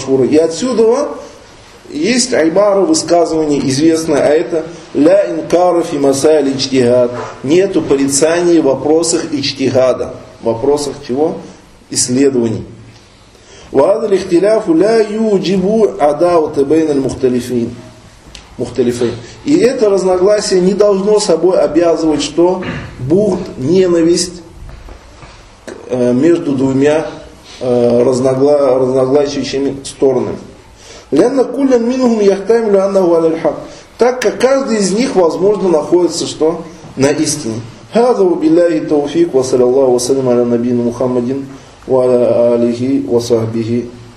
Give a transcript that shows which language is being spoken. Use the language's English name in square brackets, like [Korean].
[Russian] И отсюда есть айбара, высказывание известное, а это [Arabic] «Ля инкара фи масаиль ичтихад». [Russian] Нету порицания в вопросах ичтихада. В вопросах чего? Исследований. [Arabic] وهذا الاختلاف لا يوجب عداوة بين المختلفين. مختلفين. [Russian] И это разногласие не должно собой обязывать, что бурд, ненависть между двумя разногласящими сторонами. [Arabic] لأن كل منهم يحتمل أنه على الحق. [Russian] Так как каждый из них, возможно, находится что на истине. [Arabic] هذا وبالله التوفيق وصلى الله وسلم على نبينا محمد وعلى آله وصحبه أجمعين.